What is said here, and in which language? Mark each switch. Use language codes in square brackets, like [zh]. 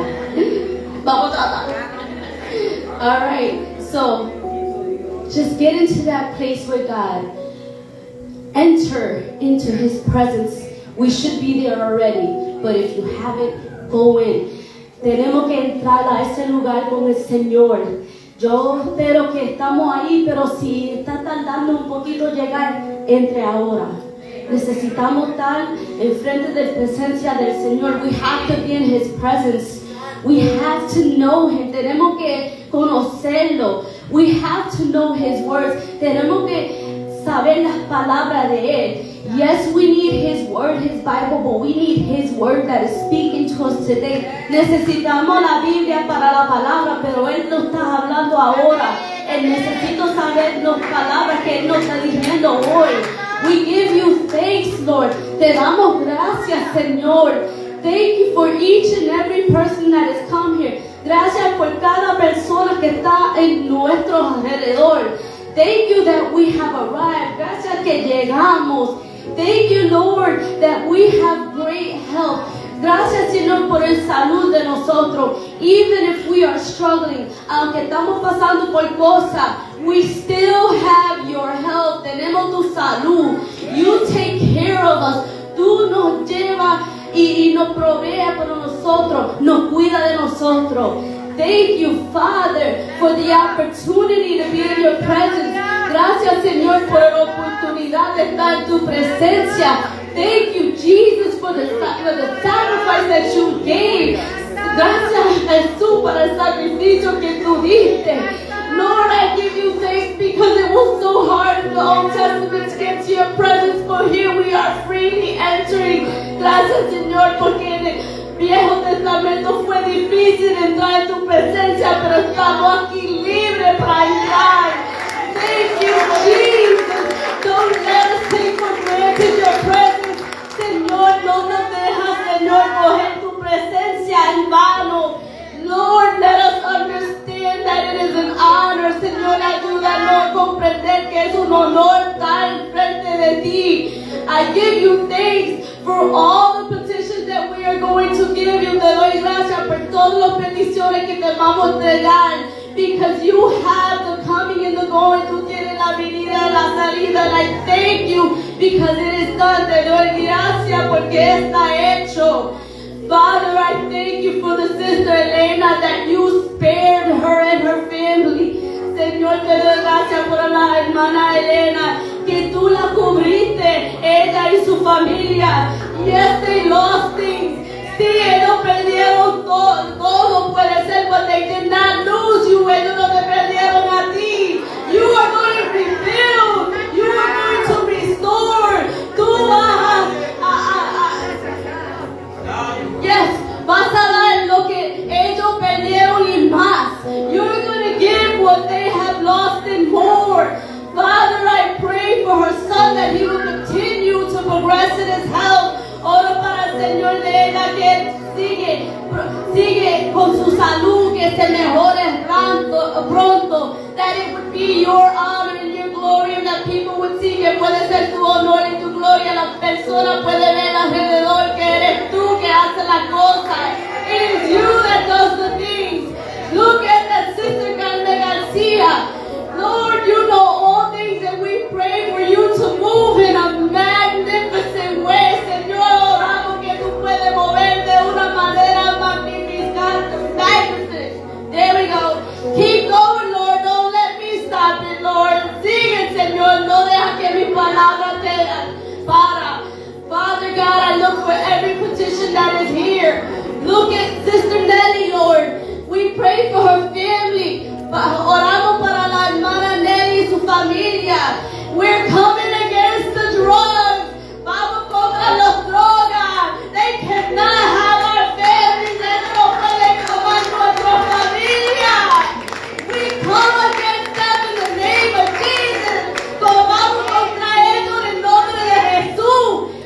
[en] All right, so just get into that place with God. Enter into His presence. We should be there already, but if you haven't, go in. [es] Tenemos que entrar a ese lugar con el Señor. Yo espero que estamos ahí, pero si está tardando un poquito llegar, entre ahora. Necesitamos estar en frente de la presencia del Señor. [en] We have to be in His presence. We have to know Him. [es] Tenemos que conocerlo. [en] We have to know His words. [es] Tenemos que saber las palabras de Él. [en] Yes, we need His word, His Bible, but we need His word that is speaking to us today. [es] Necesitamos la Biblia para la palabra, pero Él nos está hablando ahora. Él necesito saber las palabras que Él nos está diciendo hoy. [en] We give you thanks, Lord. [es] Te damos gracias, Señor. [en] Thank you for each and every person that has come here. [es] Gracias por cada persona que está en nuestro alrededor. [en] Thank you that we have arrived. [es] Gracias que llegamos. [en] Thank you, Lord, that we have great health. [es] Gracias, Señor, por el salud de nosotros. [en] Even if we are struggling, [es] aunque estamos pasando por cosas, [en] we still have your help. [es] Tenemos tu salud. [en] You take care of us. [es] Tú nos llevas y nos provee para nosotros. Nos cuida de nosotros. [en] Thank you, Father, for the opportunity to be in your presence. [es] Señor, por la oportunidad de estar en tu presencia. [en] Thank you, Jesus, for the sacrifice that you gave. [es] Gracias, Jesús, por el sacrificio que tú diste. [en] Lord, I give you thanks because it was so hard in the Old Testament to get to your presence, but here we are freely entering. [es] Gracias, Señor, porque en el Viejo Testamento fue difícil entrar en tu presencia, pero estamos aquí libre para entrar. [en] Thank you, Jesus. Don't let us take for granted your presence. [es] Señor, no nos dejas, Señor, coger tu presencia en vano. [en] Lord, let us understand that it is an honor. [es] Señor, ayúdanos a comprender que es un honor estar en frente de ti. [en] I give you thanks for all the petitions that we are going to give you. [es] Te doy gracias por todas las peticiones que te vamos a entregar. [en] Because you have the coming and the going. [es] Tú tienes la venida y la salida. [en] And I thank you because it is done. [es] Te doy gracias porque está hecho. [en] Father, I thank you for the sister Elena that you spared her and her family. [es] Señor, te doy gracias por la hermana Elena, que tú la cubriste, ella y su familia. [en] Yes, they lost things. [es] Sí, ellos perdieron todo, puede ser, [en] but they did not lose you. [es] Ellos no te perdieron a ti. [en] You are going to rebuild. You are going to restore. [es] Tú vas a... Yes, vas a dar lo que ellos perdieron y más. [en] You're going to give what they have lost and more. Father, I pray for her son that he will continue to progress in his health. [es] Oro para el Señor de ella que sigue con su salud, que se mejore pronto. [en] That it would be your honor and your glory and that people would see [es] que puede ser tu honor y tu gloria. La persona puede ver alrededor que eres tú que hace las cosas. [en] It is you that does the things. Look at that sister Carmen Garcia. Lord, you know all things and we pray for you to move in a magnificent way. [es] Señor, oramos que tú puedes mover de una manera magnificante. [en] There we go. Keep going, Lord. Don't let me stop it, Lord. [es] Sigue, Señor. No deja que mi palabra te para. [en] Father God, I look for every petition that is here. Look at Sister Nelly, Lord. We pray for her family. [es] Oramos para la hermana Nelly y su familia. [en] We're coming against the drugs. [es] Vamos contra las drogas. [en] They cannot have our families. [es] Ellos no pueden tomar nuestra familia. [en] We come against them in the name of Jesus. [es] Tomamos contra ellos en el nombre de Jesús.